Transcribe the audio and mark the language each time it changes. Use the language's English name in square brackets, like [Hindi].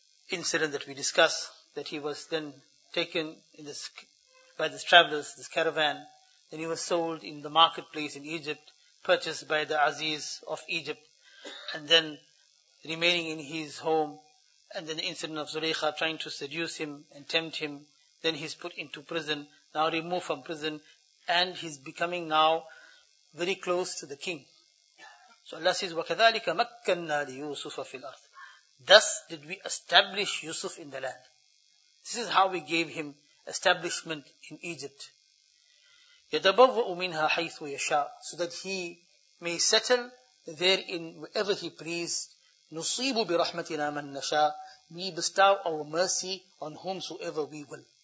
[English] incident that we discuss, that he was then taken in this by this travelers, this caravan, then he was sold in the marketplace in Egypt, purchased by the Aziz of Egypt, and then remaining in his home, and then the incident of Zulaykha trying to seduce him and tempt him, then he's put into prison, now removed from prison, and he's becoming now very close to the king. So Allah says, [Arabic] وَكَذَلِكَ مَكَّنَّا لِيُوسُفَ فِي الْأَرْضِ. [English] Thus did we establish Yusuf in the land. This is how we gave him establishment in Egypt. [Arabic] يَدَبَوَّ مِنْهَا حَيْثُ يَشَاءُ. [English] So that he may settle there in wherever he pleased. [Arabic] نُصِيبُ بِرَحْمَتِنَا مَنْ نَشَاءُ. [English] We bestow our mercy on whomsoever we will.